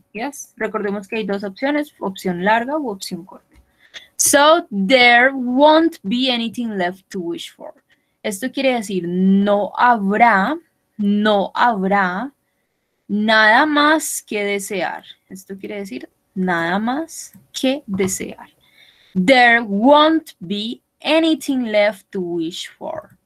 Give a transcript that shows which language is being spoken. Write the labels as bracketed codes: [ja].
[es] Yes, recordemos que hay dos opciones, opción larga o opción corta. [en] So, there won't be anything left to wish for. [es] Esto quiere decir, no habrá nada más que desear. Esto quiere decir, nada más que desear. [en] There won't be anything left to wish for.